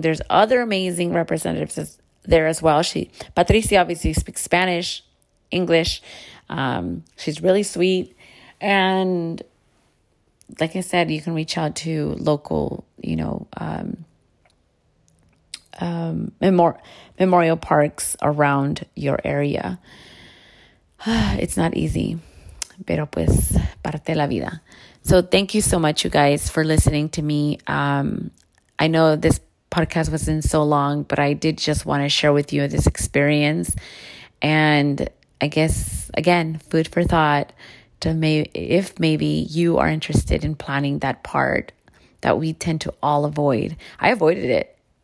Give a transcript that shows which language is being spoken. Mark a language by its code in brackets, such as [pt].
[en] There's other amazing representatives there as well. Patricia obviously speaks Spanish, English. She's really sweet. And like I said, you can reach out to local, you know, memorial parks around your area. It's not easy, [es] pero pues parte de la vida. [en] So thank you so much, you guys, for listening to me. I know this podcast wasn't so long, but I did just want to share with you this experience. And I guess, again, food for thought, if maybe you are interested in planning that part that we tend to all avoid. I avoided it.